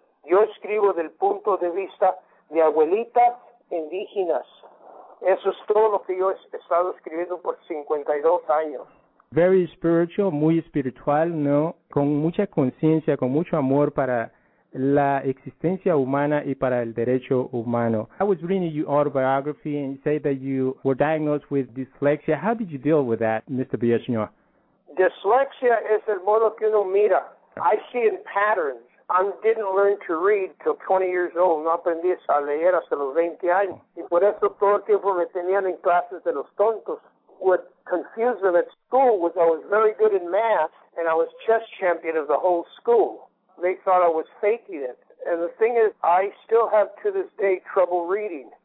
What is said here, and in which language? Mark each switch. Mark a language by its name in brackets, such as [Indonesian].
[Spanish] Yo escribo del punto de vista de abuelitas indígenas. Eso es todo lo que yo he estado escribiendo por 52 años. [English] Very spiritual, [Spanish] muy espiritual, ¿no? Con mucha conciencia, con mucho amor para la existencia humana y para el derecho humano. [English] I was reading your autobiography and you say that you were diagnosed with dyslexia. How did you deal with that, Mr. Villaseñor? [Spanish] Dyslexia es el modo que uno mira. [English] I see in patterns. I didn't learn to read till 20 years old. [Spanish] No aprendí a leer hasta los 20 años. Y por eso todo el tiempo me tenían en clases de los tontos. [English] What confused them at school was I was very good in math and I was chess champion of the whole school. They thought I was faking it. And the thing is, I still have to this day trouble reading.